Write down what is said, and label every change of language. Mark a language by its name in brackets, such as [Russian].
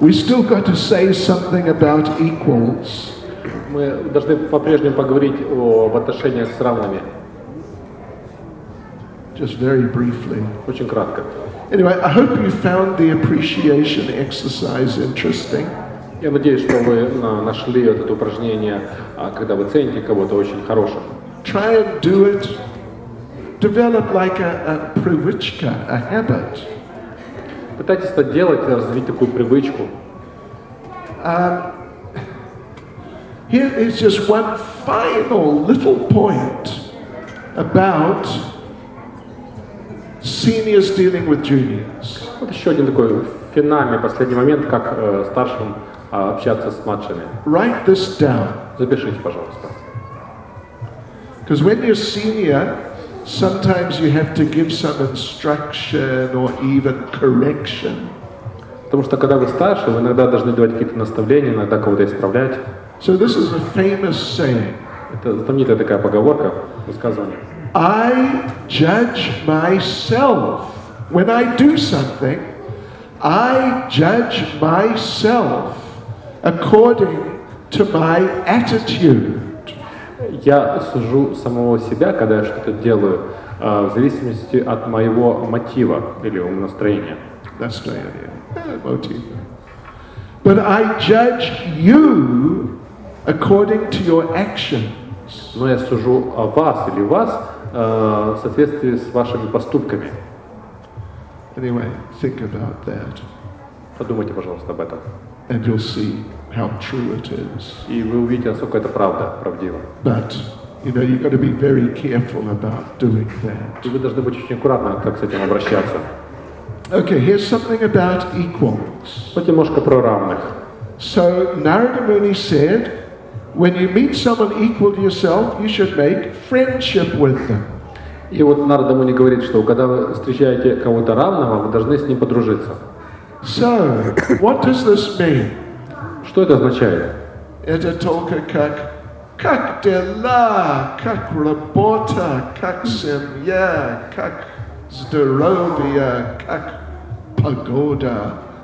[English] We still got to say something about equals. [Russian] Мы должны по-прежнему поговорить об отношениях с равными. [English] Just very briefly. [Russian] Очень кратко. [English] Anyway, I hope you found the appreciation exercise interesting. [Russian] Я надеюсь, что вы нашли это упражнение, когда вы цените кого-то, очень хорошим. [English] Try and do it. Develop like a [Russian] привычка, [English] a habit. [Russian] Пытайтесь это делать, развить такую привычку. [English] Here is just one final little point about seniors dealing with juniors. [Russian] Вот еще один такой финальный, последний момент, как старшим общаться с младшими. [English] Write this down. [Russian] Запишите, пожалуйста. [English] Because when you're senior, sometimes you have to give some instruction or even correction. [Russian] Потому что когда вы старше, вы иногда должны давать какие-то наставления, иногда кого-то исправлять. [English] So this is a famous saying. [Russian] Это знаменитая такая поговорка, высказывание. [English] I judge myself. When I do something, I judge myself according to my attitude. [Russian] Я сужу самого себя, когда я что-то делаю, в зависимости от моего мотива или настроения. Настроение. Мотив. [English] But I judge you according to your actions. [Russian] Но я сужу о вас или вас в соответствии с вашими поступками. [English] Anyway, think about that. [Russian] Подумайте, пожалуйста, об этом. [English] And you'll see how true it is. [Russian] И вы увидите, насколько это правда, правдиво. [English] But, you know, you've got to be very careful about doing that. [Russian] И вы должны быть очень аккуратны, как с этим обращаться. [English] Okay, here's something about equals. [Russian] Вот немножко про равных. [English] So Narada Muni said, when you meet someone equal to yourself, you should make friendship with them. [Russian] И вот Нарада Муни говорит, что когда вы встречаете кого-то равного, вы должны с ним подружиться. [English] So, what does this mean? [Russian] Что это означает? Это только как дела, как работа, как семья, как здоровье, как погода.